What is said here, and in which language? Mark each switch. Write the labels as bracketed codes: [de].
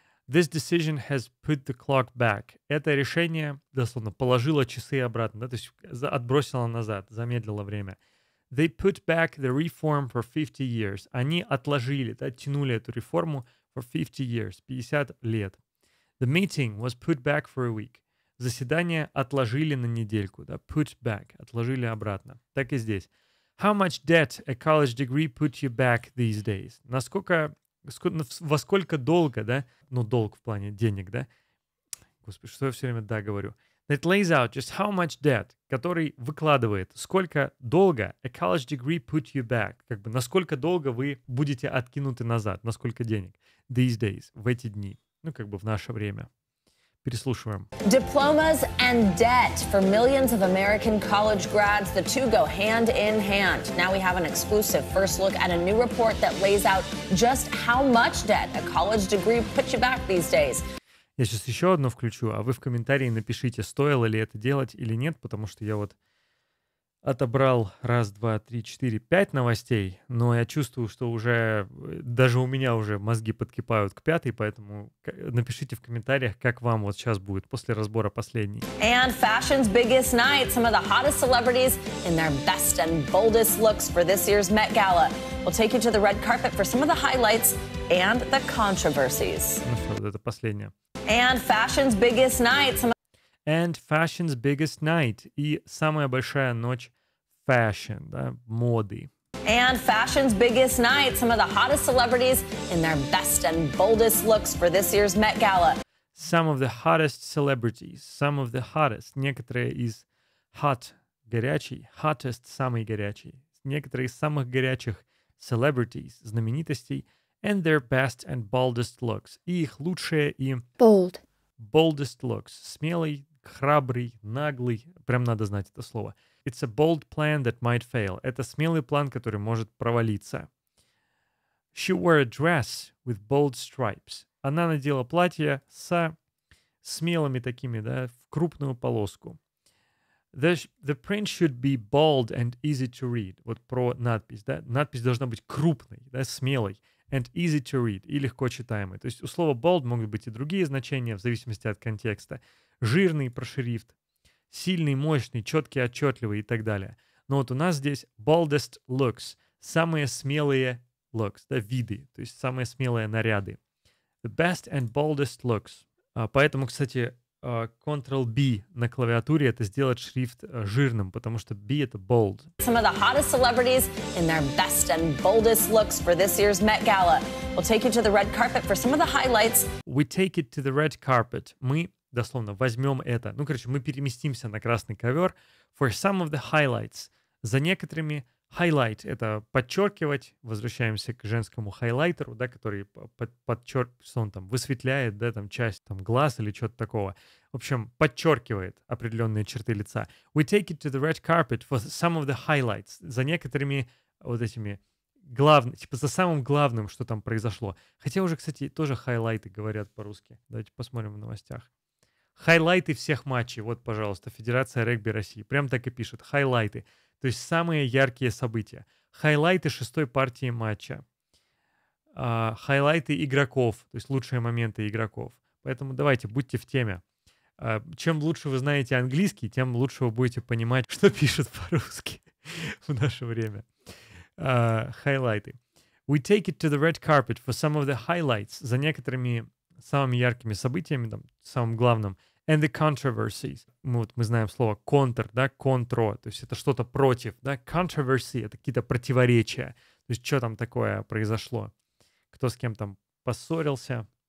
[en] This decision has put the clock back. [ru] Это решение, дословно, положило часы обратно, да, то есть отбросило назад, замедлило время. [en] They put back the reform for 50 years. [ru] Они отложили, да, тянули эту реформу [en] for 50 years, [ru] 50 лет. [en] The meeting was put back for a week. [ru] Заседание отложили на недельку, да, [en] put back, [ru] отложили обратно. Так и здесь. [en] How much debt a college degree put you back these days? [ru] Насколько, во сколько долго, да, ну, долг в плане денег, да? Господи, что я все время да говорю? [en] That lays out just how much debt, [ru] который выкладывает, сколько долго [en] a college degree put you back, [ru] как бы, насколько долго вы будете откинуты назад, на сколько денег [en] these days, [ru] в эти дни. Ну, как бы в наше время. Переслушиваем. [en] Diplomas and debt for millions of American college grads. The two go hand in hand. Now we have an exclusive first look at a new report that lays out just how much debt a college degree puts you back these days. [ru] Я сейчас еще одно включу, а вы в комментарии напишите, стоило ли это делать или нет, потому что я вот отобрал раз, два, три, четыре, пять новостей, но я чувствую, что уже даже у меня уже мозги подкипают к пятой, поэтому напишите в комментариях, как вам вот сейчас будет после разбора последней. [en] And fashion's biggest night. Some of the hottest celebrities in their best and boldest looks for this year's Met Gala. We'll take you to the red carpet for some of the highlights and the controversies. [ru] Ну что, вот это последнее. [en] And fashion's biggest night. And fashion's biggest night. [ru] И самая большая ночь fashion, да, моды. [en] And fashion's biggest night. Some of the hottest celebrities in their best and boldest looks for this year's Met Gala. Some of the hottest celebrities. Some of the hottest. [ru] Некоторые из hot, горячий. Hottest, самый горячий. Некоторые из самых горячих celebrities, знаменитостей. [en] And their best and boldest looks. [ru] И их лучшие и... [en] Bold. Boldest looks. [ru] Смелый, храбрый, наглый. Прям надо знать это слово. [en] It's a bold plan that might fail. [ru] Это смелый план, который может провалиться. [en] She wore a dress with bold stripes. [ru] Она надела платье с смелыми такими, да, в крупную полоску. [en] The print should be bold and easy to read. [ru] Вот про надпись, да. Надпись должна быть крупной, да, смелой. [en] And easy to read, [ru] и легко читаемый. То есть у слова bold могут быть и другие значения, в зависимости от контекста. Жирный, про шрифт. Сильный, мощный, четкий, отчетливый и так далее. Но вот у нас здесь [en] boldest looks. [ru] Самые смелые looks, да, виды. То есть самые смелые наряды. [en] The best and boldest looks. [ru] Поэтому, кстати, Ctrl-B на клавиатуре — это сделать шрифт жирным, потому что B — это bold. [en] Some of the hottest celebrities in their best and boldest looks for this year's Met Gala. We'll take you to the red carpet for some of the highlights. We take it to the red carpet. [ru] Мы, дословно, возьмем это. Ну, короче, мы переместимся на красный ковер [en] for some of the highlights. [ru] за некоторыми highlight — это подчеркивать, возвращаемся к женскому хайлайтеру, да, который подчеркивает, что он там высветляет, да, там часть там глаз или что-то такого. В общем, подчеркивает определенные черты лица. We take it to the red carpet for some of the highlights. За некоторыми вот этими главными, типа за самым главным, что там произошло. Хотя уже, кстати, тоже хайлайты говорят по-русски. Давайте посмотрим в новостях. Хайлайты всех матчей. Вот, пожалуйста, Федерация регби России. Прям так и пишет. Хайлайты. То есть самые яркие события. Хайлайты шестой партии матча. Хайлайты игроков. То есть лучшие моменты игроков. Поэтому давайте, будьте в теме. Чем лучше вы знаете английский, тем лучше вы будете понимать, что пишут по-русски в наше время. Хайлайты. [en] We take it to the red carpet for some of the highlights. [ru] За некоторыми самыми яркими событиями, там, самым главным. [en] And the controversies. [ru] Мы знаем слово counter, да, contro. То есть это что-то против, да. Controversy — это какие-то противоречия. То есть что там такое произошло. Кто с кем там поссорился.